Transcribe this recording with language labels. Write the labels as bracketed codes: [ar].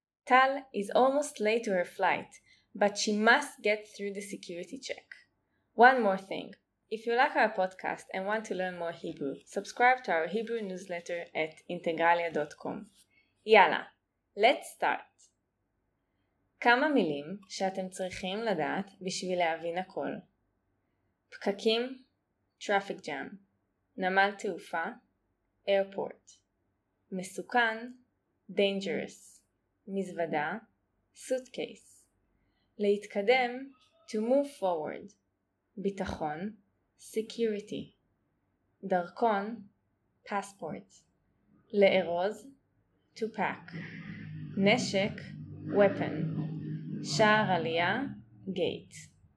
[en] Tal is almost late to her flight, but she must get through the security check. One more thing. If you like our podcast and want to learn more Hebrew, subscribe to our Hebrew newsletter at integralia.com. יאללה, let's start. [he] כמה מילים שאתם צריכים לדעת בשביל להבין הכל. [en] פקקים, traffic jam, נמל תעופה, airport, מסוכן, dangerous, מזוודה, suitcase, להתקדם, to move forward, ביטחון, security, דרכון, passport, לארוז, to pack, נשק, weapon, שער עלייה, gate.